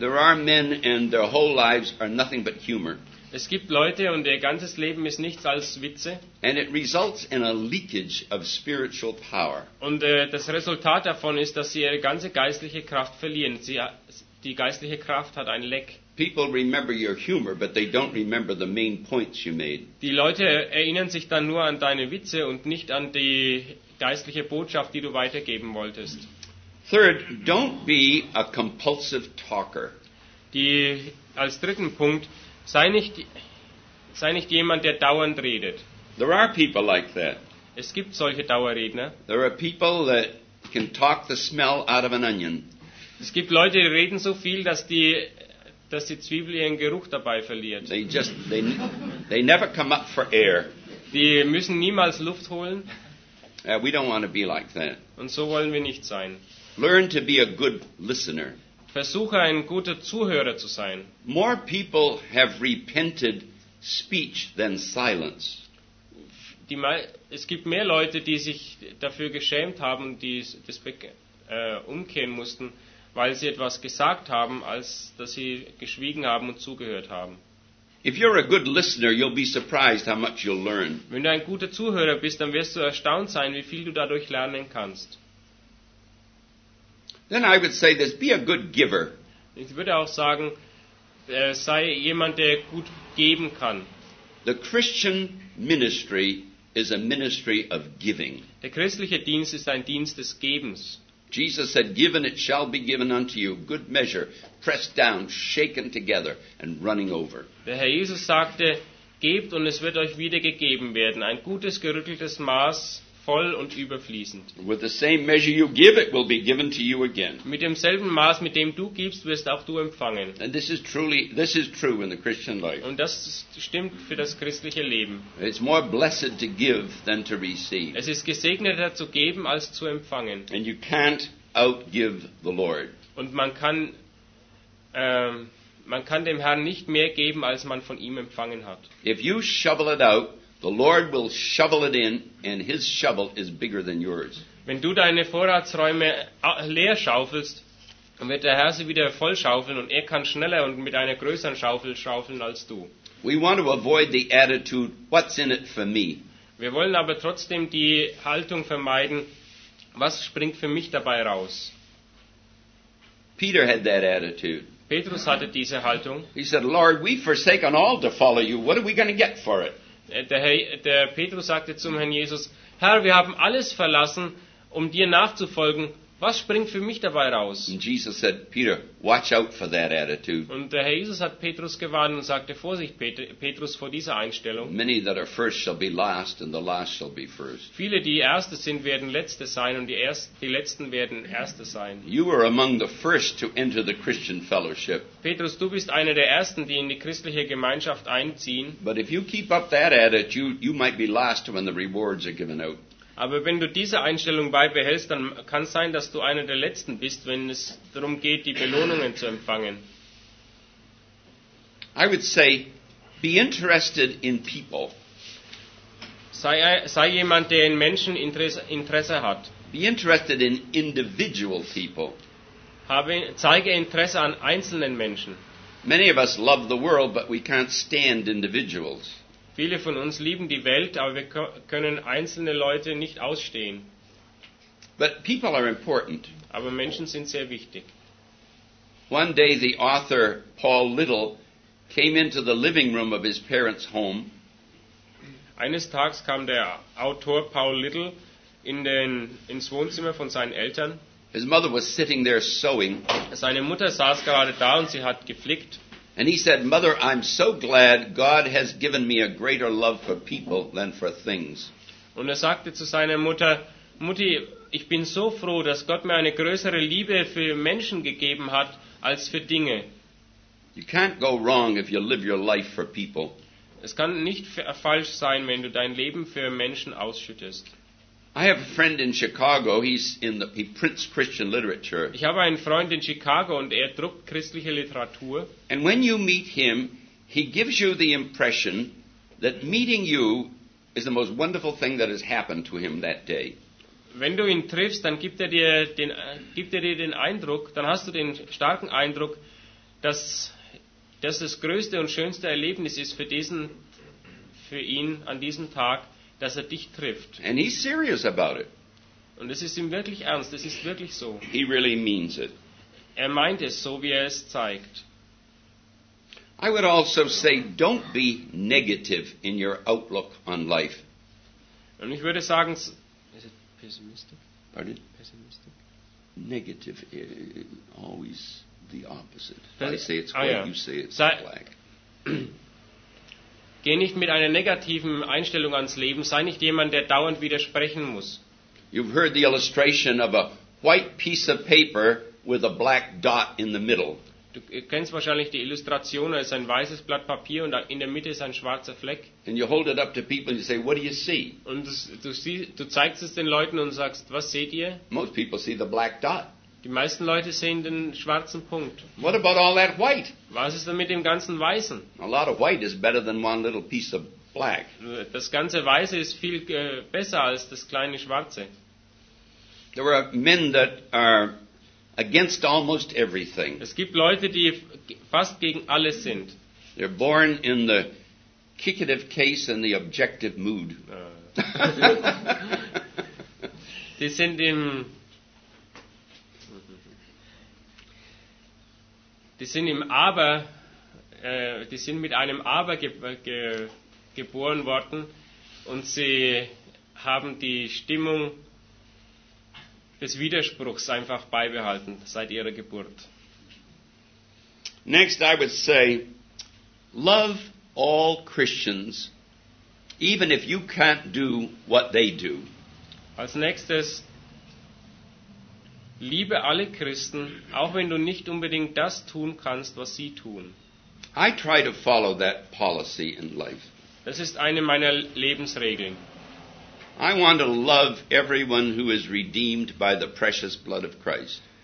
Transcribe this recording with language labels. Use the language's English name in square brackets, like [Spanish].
[English] There are men and their whole lives are nothing but humor. [German] Es gibt Leute und ihr ganzes Leben ist nichts als Witze. [English] And it results in a leakage of spiritual power. [German] Und das Resultat davon ist, dass sie ihre ganze geistliche Kraft verlieren. Die geistliche Kraft hat ein Leck. [English] People remember your humor, but they don't remember the main points you made. [German] Die Leute erinnern sich dann nur an deine Witze und nicht an die geistliche Botschaft, die du weitergeben wolltest. [English] Third, don't be a compulsive talker. [German] Als dritten Punkt, sei nicht jemand, der dauernd redet. [English] There are people like that. [German] Es gibt solche Dauerredner. [English] There are people that can talk the smell out of an onion. [German] Es gibt Leute, die reden so viel, dass die Zwiebel ihren Geruch dabei verliert. [English] They never come up for air. [German] Die müssen niemals Luft holen. [English] We don't want to be like that. [German] Und so wollen wir nicht sein. [English] Learn to be a good listener. [German] Versuche, ein guter Zuhörer zu sein. [English] More people have repented speech than silence. [German] Es gibt mehr Leute, die sich dafür geschämt haben, die das umkehren mussten, weil sie etwas gesagt haben, als dass sie geschwiegen haben und zugehört haben. [English] If you're a good listener, you'll be surprised how much you'll learn. [German] Wenn du ein guter Zuhörer bist, dann wirst du erstaunt sein, wie viel du dadurch lernen kannst. [English] Then I would say this, be a good giver. [German] Ich würde auch sagen, sei jemand, der gut geben kann. [English] The Christian ministry is a ministry of giving. [German] Der christliche Dienst ist ein Dienst des Gebens. [English] Jesus said, given it shall be given unto you, good measure, pressed down, shaken together, and running over. [German] Der Herr Jesus sagte, gebt und es wird euch wiedergegeben werden, ein gutes, gerütteltes Maß, voll und überfließend. [English] With the same measure you give, it will be given to you again. [German] Mit demselben Maß, mit dem du gibst, wirst auch du empfangen. [English] And this is true in the Christian life. [German] Und das stimmt für das christliche Leben. [English] It's more blessed to give than to receive. [German] Es ist gesegneter zu geben als zu empfangen. [English] And you can't outgive the Lord. [German] Und man kann dem Herrn nicht mehr geben, als man von ihm empfangen hat. [English] If you shovel it out, the Lord will shovel it in, and his shovel is bigger than yours. [German] Wenn du deine Vorratsräume leer schaufelst, dann wird der Herr sie wieder voll schaufeln, und er kann schneller und mit einer größeren Schaufel schaufeln als du. [English] We want to avoid the attitude, what's in it for me? [German] Wir wollen aber trotzdem die Haltung vermeiden, was springt für mich dabei raus? [English] Peter had that attitude. [German] Petrus hatte diese Haltung. [English] He said, Lord, we've forsaken all to follow you. What are we going to get for it? [German] Der Petrus sagte zum Herrn Jesus, Herr, wir haben alles verlassen, um dir nachzufolgen. Was springt für mich dabei raus? [English] And Jesus said, Peter, watch out for that attitude. [German] Und der Herr Jesus hat Petrus gewarnt und sagte, Vorsicht, Petrus, vor dieser Einstellung. [English] Many that are first shall be last, and the last shall be first. [German] Viele, die Erste sind, werden Letzte sein, und die Letzten werden Erste sein. [English] You were among the first to enter the Christian fellowship. [German] Petrus, du bist einer der Ersten, die in die christliche Gemeinschaft einziehen. [English] But if you keep up that attitude, you might be last when the rewards are given out. [German] Aber wenn du diese Einstellung beibehältst, dann kann es sein, dass du einer der Letzten bist, wenn es darum geht, die Belohnungen zu empfangen. [English] I would say, be interested in people. [German] Sei jemand, der in Menschen Interesse hat. [English] Be interested in individual people. [German] Zeige Interesse an einzelnen Menschen. [English] Many of us love the world, but we can't stand individuals. [German] Viele von uns lieben die Welt, aber wir können einzelne Leute nicht ausstehen. [English] But people are important. [German] Aber Menschen sind sehr wichtig. [English] One day the author Paul Little came into the living room of his parents' home. [German] Eines Tages kam der Autor Paul Little ins Wohnzimmer von seinen Eltern. [English] His mother was sitting there sewing. [German] Seine Mutter saß gerade da und sie hat geflickt. [English] And he said, Mother, I'm so glad God has given me a greater love for people than for things. [German] Und er sagte zu seiner Mutter, Mutti, ich bin so froh, dass Gott mir eine größere Liebe für Menschen gegeben hat als für Dinge. [English] You can't go wrong if you live your life for people. [German] Es kann nicht falsch sein, wenn du dein Leben für Menschen ausschüttest. [English] I have a friend in Chicago. He prints Christian literature. [German] Ich habe einen Freund in Chicago und er druckt christliche Literatur. [English] And when you meet him, he gives you the impression that meeting you is the most wonderful thing that has happened to him that day. [German] Wenn du ihn triffst, dann gibt er dir den Eindruck, dann hast du den starken Eindruck, dass das das größte und schönste Erlebnis ist für ihn an diesem Tag, dass er dich trifft. [English] And he's serious about it. [German] Und es ist ihm wirklich ernst, es ist wirklich so. [English] He really means it. [German] Er meint es so, wie er es zeigt. [English] I would also say, don't be negative in your outlook on life. [German] Und ich würde sagen, [English] is it pessimistic? Pardon? Pessimistic? Negative is always the opposite. I say it's white, you say it's black. [German] Geh nicht mit einer negativen Einstellung ans Leben. Sei nicht jemand, der dauernd widersprechen muss. [English] You've heard the illustration of a white piece of paper with a black dot in the middle. [German] Du kennst wahrscheinlich die Illustration, es ist ein weißes Blatt Papier und in der Mitte ist ein schwarzer Fleck. [English] And you hold it up to people and you say, what do you see? [German] Und du zeigst es den Leuten und sagst, was seht ihr? [English] Most people see the black dot. [German] Die meisten Leute sehen den schwarzen Punkt. [English] What about all that white? [German] Was ist denn mit dem ganzen Weißen? [English] A lot of white is better than one little piece of black. [German] Das ganze Weiße ist viel besser als das kleine Schwarze. [English] There are men that are against almost everything. [German] Es gibt Leute, die fast gegen alles sind. [English] They're born in the kickative case and the objective mood. [German] Die sind im Aber, die sind mit einem Aber geboren worden und sie haben die Stimmung des Widerspruchs einfach beibehalten seit ihrer Geburt. [English] Next, I would say, love all Christians, even if you can't do what they do. [German] Als nächstes, liebe alle Christen, auch wenn du nicht unbedingt das tun kannst, was sie tun. [English] I try to follow that policy in life. [German] Das ist eine meiner Lebensregeln. [English] I want to love everyone who is redeemed by the precious blood of Christ.